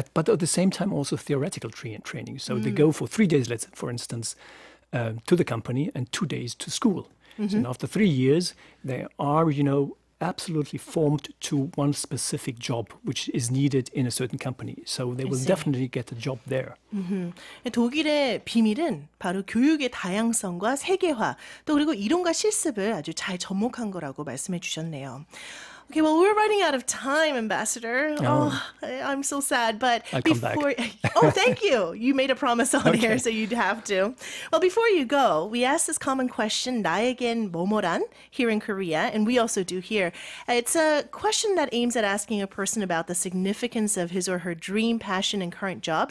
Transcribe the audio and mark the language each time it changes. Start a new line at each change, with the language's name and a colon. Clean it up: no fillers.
English: But at the same time, also theoretical training. So they go for 3 days, for instance, to the company and 2 days to school. Mm-hmm. And after 3 years, they are, you know, absolutely formed to one specific job which is needed in a certain company. So they will definitely get a job there. Mm-hmm.
Korean: 독일의 비밀은 바로 교육의 다양성과 세계화, 또 그리고 이론과 실습을 아주 잘 접목한 거라고 말씀해 주셨네요.
English: Okay, well, we're running out of time, Ambassador. Oh, I'm so sad, but I'll come back. Oh, thank you. You made a promise on here, so you'd have to. Well, before you go, we ask this common question,
Korean: 나에겐 뭐뭐란,
English: here in Korea, and we also do here. It's a question that aims at asking a person about the significance of his or her dream, passion, and current job.